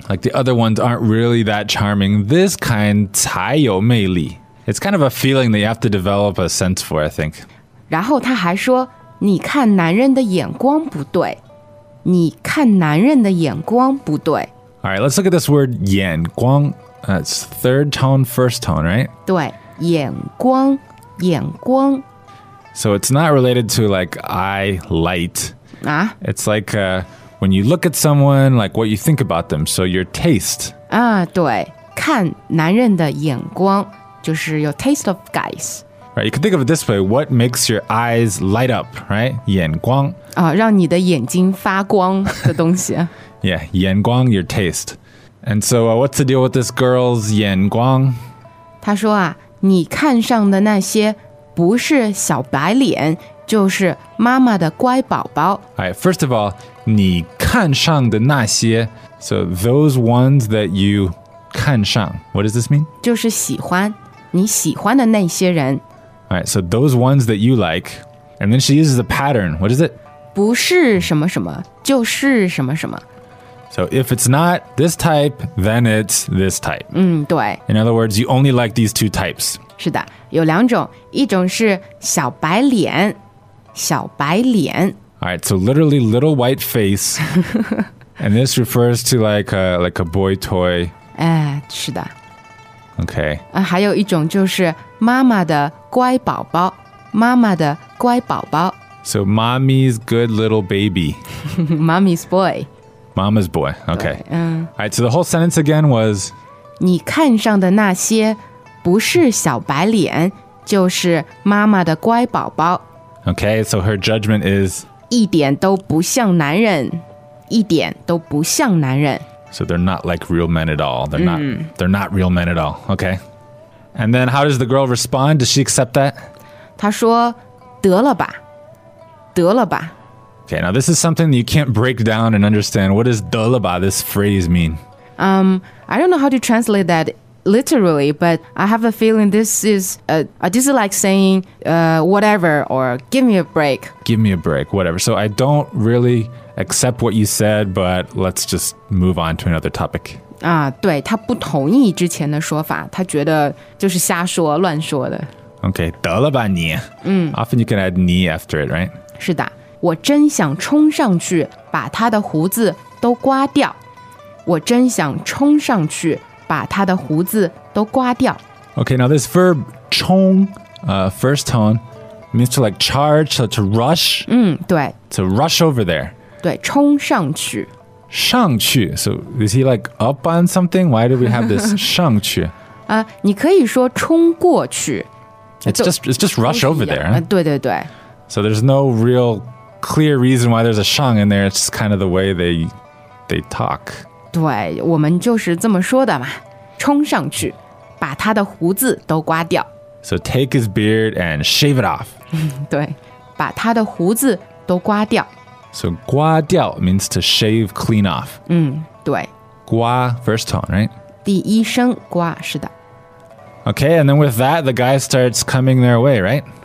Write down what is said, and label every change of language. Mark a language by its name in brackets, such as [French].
[English] Like the other ones aren't really that charming. This kind [Chinese] 才有魅力. [English] It's kind of a feeling that you have to develop a sense for, I think. [Chinese] 然后他还说，你看男人的眼光不对。你看男人的眼光不对。 [English] All right, let's look at this word 眼光. That's third tone, first tone, right? [Chinese] 对，眼光。眼光。 [English] So it's not related to like eye light. Ah? It's like when you look at someone, like what you think about them. So your taste. [Chinese] 啊，对，看男人的眼光就是 [English] your taste of guys. Right, you can think of it this way. What makes your eyes light up, right? 眼光。 [Chinese] 啊，让你的眼睛发光的东西。 [English] Yeah, 眼光, your taste. And so what's the deal with this girl's 眼光? [Chinese] 她说啊，你看上的那些不是小白脸，就是妈妈的乖宝宝。 [English] All right, first of all, [Chinese] 你看上的那些, [English] so those ones that you 看上, what does this mean? [Chinese] 就是喜欢,你喜欢的那些人。 [English] All right, so those ones that you like, and then she uses a pattern, what is it? [Chinese] 不是什么什么，就是什么什么。 [English] So if it's not this type, then it's this type. [Chinese] 嗯，对。 [English] In other words, you only like these two types. [Chinese] 是的，有两种，一种是小白脸，小白脸。 [English] All right, so literally little white face. And this refers to like a boy toy. [Chinese] 哎，是的。 [English] Okay. [Chinese] 还有一种就是妈妈的乖宝宝，妈妈的乖宝宝。 [English] So mommy's good little baby. Mommy's boy. Mama's boy, okay. [Chinese] 对, [English] All right, so the whole sentence again was [Chinese] 你看上的那些不是小白脸就是妈妈的乖宝宝 [English] Okay, so her judgment is [Chinese] 一点都不像男人一点都不像男人 [English] So they're not like real men at all. They're not real men at all, okay. And then how does the girl respond? Does she accept that? [Chinese] 她说得了吧得了吧 [English] Okay, now this is something that you can't break down and understand. What does 得了吧, this phrase mean? I don't know how to translate that literally, but I have a feeling this is like saying whatever or give me a break. Give me a break, whatever. So I don't really accept what you said, but let's just move on to another topic. [Chinese] 对,他不同意之前的说法,他觉得就是瞎说,乱说的。 Okay, 得了吧你。 [English] Often you can add 你 after it, right? [Chinese] 是的。我真想冲上去把他的胡子都刮掉。我真想冲上去把他的胡子都刮掉。 [English] Okay, now this verb 冲, first tone, means to like charge, to rush. [Chinese] 对。 [English] To rush over there. [Chinese] 对,冲上去。 [English] 上去, so is he like up on something? Why do we have this 上去? [Chinese] 你可以说冲过去。 [English] It's just rush over there. [Chinese] 对对对。 [English] So there's no real... clear reason why there's a 上 in there. It's just kind of the way they talk. [Chinese] 对,我们就是这么说的嘛。冲上去,把他的胡子都刮掉。 [English] So take his beard and shave it off. [Chinese] 对,把他的胡子都刮掉。 [English] So 刮掉 means to shave, clean off. [Chinese] 对。 [English] 刮, first tone, right? [Chinese] 第一声刮,是的。 [English] Okay, and then with that, the guy starts coming their way, right?